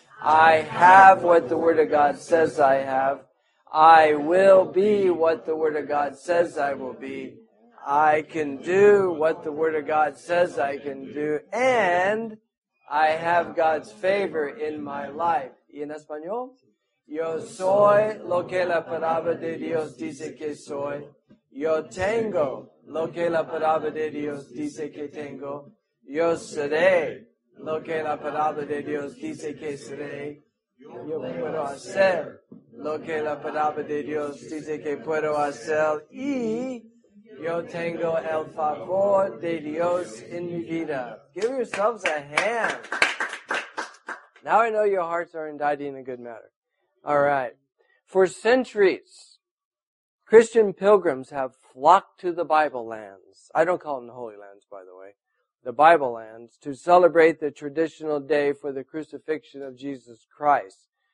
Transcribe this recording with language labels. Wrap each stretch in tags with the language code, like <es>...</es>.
<en>I have what the Word of God says I have. I will be what the Word of God says I will be. I can do what the Word of God says I can do. And I have God's favor in my life.</en> <es>¿Y en español? Yo soy lo que la palabra de Dios dice que soy. Yo tengo lo que la palabra de Dios dice que tengo. Yo seré lo que la palabra de Dios dice que seré. Yo puedo hacer lo que la palabra de Dios dice que puedo hacer. Y yo tengo el favor de Dios en mi vida.</es> <en>Give yourselves a hand. Now I know your hearts are indicted in a good matter. All right. For centuries, Christian pilgrims have flocked to the Bible lands. I don't call them the Holy Lands, by the way. The Bible lands, to celebrate the traditional day for the crucifixion of Jesus Christ.</en>